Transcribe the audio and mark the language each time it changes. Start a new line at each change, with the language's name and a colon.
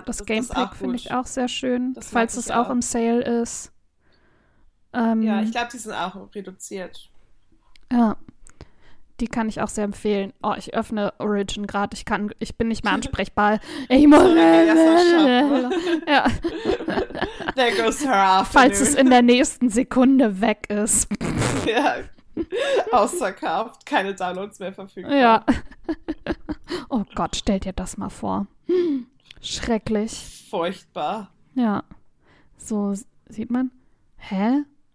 German: das Gamepack finde ich auch sehr schön, das falls es auch im Sale ist. Ja, ich glaube, die sind auch reduziert. Ja, die kann ich auch sehr empfehlen. Oh, ich öffne Origin gerade. Ich bin nicht mehr ansprechbar. Ich muss ja.
English: There goes her afternoon.
German: Falls es in der nächsten Sekunde weg ist. Ja, ausverkauft, keine Downloads mehr verfügbar. Ja. Oh Gott, stell dir das mal vor. Schrecklich. Furchtbar. Ja. So sieht man. Hä?